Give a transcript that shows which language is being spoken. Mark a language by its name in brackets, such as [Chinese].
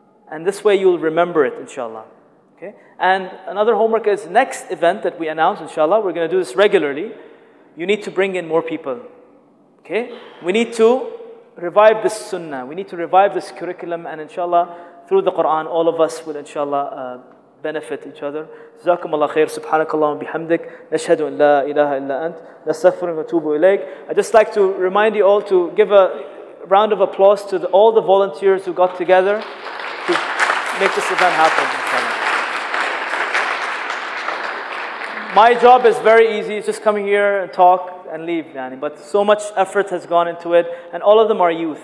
[English] And this way you'll remember it, inshallah. Okay? And another homework is next event that we announce, inshallah, we're going to do this regularly. You need to bring in more people. Okay? We need to revive this sunnah. We need to revive this curriculum. And inshallah, through the Quran, all of us will, inshallah, benefit each other. [Arabic] جزاكم الله خير سبحانك اللهم وبحمدك نشهد ان لا اله الا انت نستغفرك ونتوب اليك. [English] I just like to remind you all to give a round of applause to all the volunteers who got together to make this event happen. My job is very easy. It's just coming here and talk and leave, Danny. But so much effort has gone into it, and all of them are youth.